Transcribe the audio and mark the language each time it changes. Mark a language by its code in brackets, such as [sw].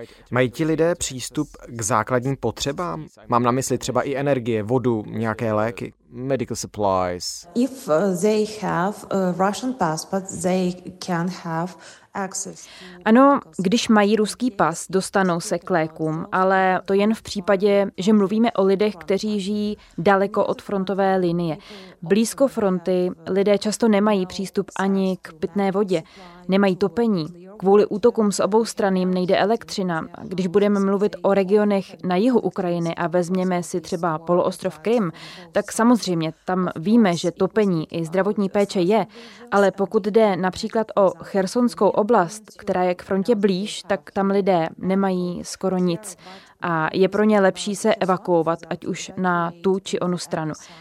[cs] Mají ti lidé přístup k základním potřebám? Mám na mysli třeba i energie, vodu, nějaké léky. [en] Medical supplies. If they have a Russian passport, they can have access. [cs] Ano, když mají ruský pas, dostanou se k lékům, ale to jen v případě, že mluvíme o lidech, kteří žijí daleko od frontové linie. Blízko fronty lidé často nemají přístup ani k pitné vodě, nemají topení. Kvůli útokům s obou stran jim nejde elektřina. Když budeme mluvit o regionech na jihu Ukrajiny a vezměme si třeba poloostrov Krym, tak samozřejmě tam víme, že topení i zdravotní péče je, ale pokud jde například o Chersonskou oblast, která je k frontě blíž, tak tam lidé nemají skoro nic a je pro ně lepší se evakuovat, ať už na tu či onu stranu.